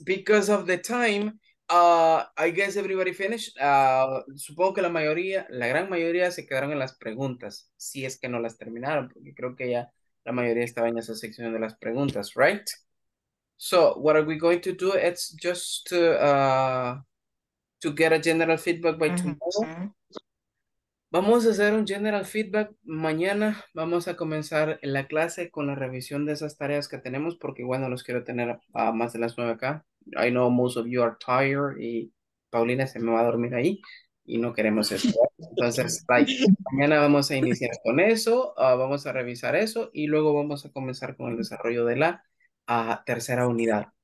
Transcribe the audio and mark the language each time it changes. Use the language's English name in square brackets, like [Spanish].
[English] Because of the time, I guess everybody finished. [Spanish] Supongo que la gran mayoría se quedaron en las preguntas. Si es que no las terminaron, porque creo que ya la mayoría estaba en esa sección de las preguntas, [English] right? So, what are we going to do? It's just to get a general feedback by tomorrow. [Spanish] Mm-hmm. Vamos a hacer un general feedback mañana. Vamos a comenzar la clase con la revisión de esas tareas que tenemos, porque igual no los quiero tener a más de las 9 acá. [English] I know most of you are tired, [Spanish] y Paulina se me va a dormir ahí, y no queremos eso. Entonces, mañana vamos a iniciar con eso, vamos a revisar eso, y luego vamos a comenzar con el desarrollo de la tercera unidad.